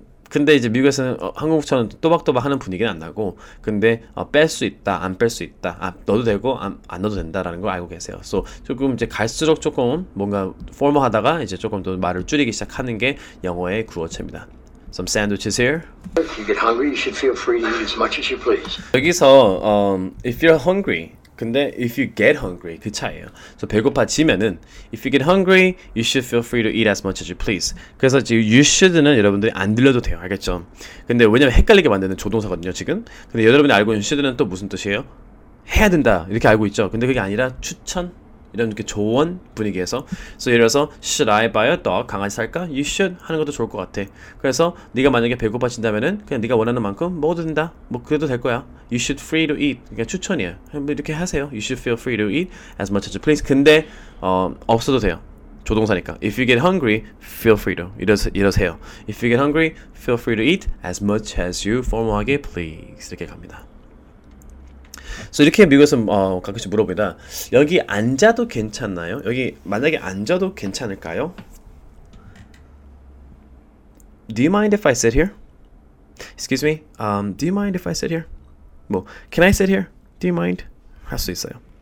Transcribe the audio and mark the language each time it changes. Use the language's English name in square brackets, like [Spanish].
[Korean] 근데 이제 미국에서는 한국처럼 또박또박 하는 분위기는 안 나고 근데 뺄 수 있다 안 뺄 수 있다 넣어도 되고 안 넣어도 된다라는 걸 알고 계세요. So 조금 이제 갈수록 조금 뭔가 formal 하다가 이제 조금 더 말을 줄이기 시작하는 게 영어의 구어체입니다. [English] Some sandwiches here. If you get hungry, you should feel free to eat as much as you please. [Korean] 여기서 [English] if you're hungry. [Korean] 근데 [English] if you get hungry [Korean] 그 차이예요. [English] So [Korean] 배고파지면은 [English] if you get hungry, you should feel free to eat as much as you please. [Korean] 그래서 지금 [English] you should [Korean] 는 여러분들이 안 들려도 돼요. 알겠죠? 근데 왜냐면 헷갈리게 만드는 조동사거든요. 지금. 근데 여러분이 알고 있는 should는 또 무슨 뜻이에요? 해야 된다 이렇게 알고 있죠. 근데 그게 아니라 추천 이런 이렇게 조언 분위기에서. So 예를 들어서 [English] should I buy a dog? [Korean] 강아지 살까? [English] You should [Korean] 하는 것도 좋을 것 같아. 그래서 네가 만약에 배고파진다면은 그냥 네가 원하는 만큼 먹어도 된다. 뭐 그래도 될 거야. [English] You should free to eat. [Korean] 그냥 추천이에요. 이렇게 하세요. [English] You should feel free to eat as much as you please. [Korean] 근데 없어도 돼요. 조동사니까. [English] If you get hungry, feel free to. [Korean] 이러세요. [English] If you get hungry, feel free to eat as much as you [Korean] formal하게 [English] please. [Korean] 이렇게 갑니다. So 이렇게 미국에서 가끔씩 물어봅니다. 여기 앉아도 괜찮나요? 여기 만약에 앉아도 괜찮을까요? [English] Do you mind if I sit here? Excuse me. Do you mind if I sit here? 뭐, can I sit here? Do you mind? [Korean] 할 수 있어요.